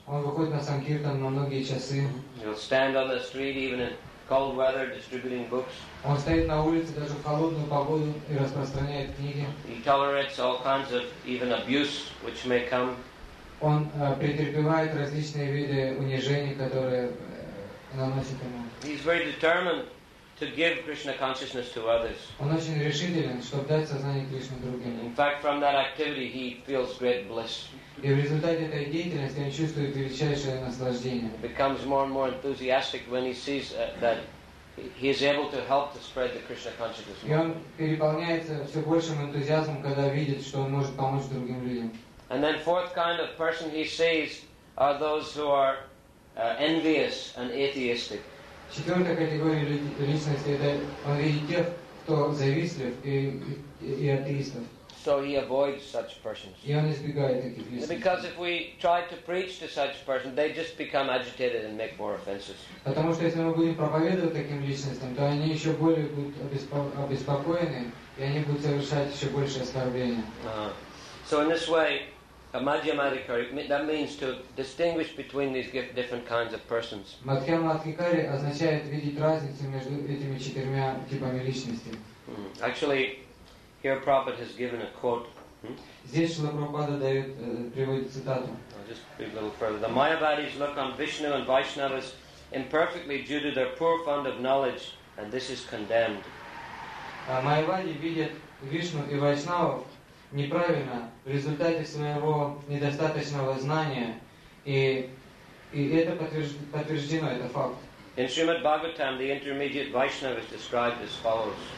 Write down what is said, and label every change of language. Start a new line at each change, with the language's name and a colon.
Russian: Он выходит на Санкиртан на многие часы.
English: He'll stand on the street even in cold weather distributing books.
Russian: Он стоит на улице даже в холодную погоду и распространяет книги.
English: He tolerates all kinds of even abuse which may come.
Russian: Он претерпевает различные виды унижений, которые наносят ему.
English: He's very determined to give Krishna consciousness to others.
Russian: Он очень решителен, чтобы дать сознание Кришне другим.
English: In fact, from that activity, he feels great bliss.
Russian: И в результате этой деятельности он чувствует величайшее наслаждение.
English: He becomes more and more enthusiastic when he sees that he is able to help to spread the Krishna consciousness.
Russian: И он переполняется все большим энтузиазмом, когда видит, что он может помочь другим людям.
English: And then fourth kind of person he sees are those who are envious and atheistic.
Russian: Четвертая категория личности это он видит тех, кто завистлив и атеистов.
English: So he avoids such persons.
Russian: И он избегает таких личностей.
English: Because if we try to preach to such persons, they just become agitated and make more offenses.
Russian: Потому что если мы будем проповедовать таким личностям, то они еще более будут обеспокоены и они будут совершать еще больше оскорблений.
English: So in this way, Madhyamadhikari, that means to distinguish between these different kinds of persons.
Russian: Madhyamadhikari означает видеть разницу между этими четырьмя типами личности.
English: Actually, here Prabhupada has given a quote.
Russian: Здесь Шрила Прабхупада дает приводит цитату.
English: I'll just read a little further. The Mayavadis look on Vishnu and Vaishnavas imperfectly due to their poor fund of knowledge, and this is condemned.
Russian: Майявади видят Вишну и Вайшнаву неправильно в результате своего недостаточного знания и это подтверждено, это факт.
English: In Srimad Bhagavatam, the intermediate Vaishnava is described as follows.